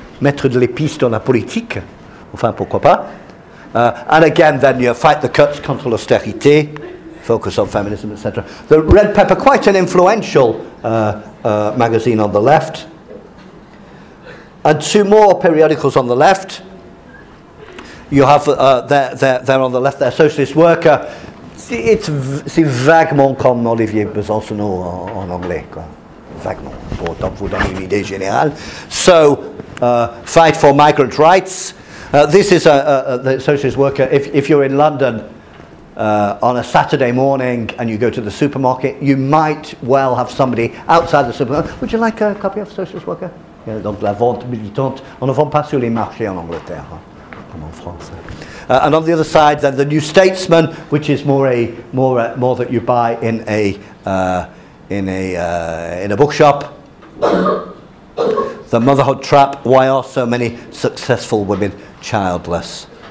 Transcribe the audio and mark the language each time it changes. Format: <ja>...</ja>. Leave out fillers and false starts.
<fr>Mettre de l'épice dans la politique. Enfin, pourquoi pas?</fr> <en>And again, then you fight the cuts,</en> <fr>contre l'austérité,</fr> <en>focus on feminism, etc. The Red Pepper, quite an influential magazine on the left. And two more periodicals on the left. You have there on the left, there, Socialist Worker.</en> <fr>C'est vaguement comme Olivier Besancenot en anglais, quoi. Vaguement, pour vous donner une idée générale.</fr> <en>So, fight for migrant rights. This is the Socialist Worker. If you're in London on a Saturday morning and you go to the supermarket, you might well have somebody outside the supermarket. Would you like a copy of Socialist Worker?</en> <fr>Yeah, donc la vente militante. On ne vend pas sur les marchés en Angleterre, comme en France.</fr> <en>And on the other side, then the New Statesman, which is more that you buy in a bookshop. The Motherhood Trap. Why are so many successful women childless?</en>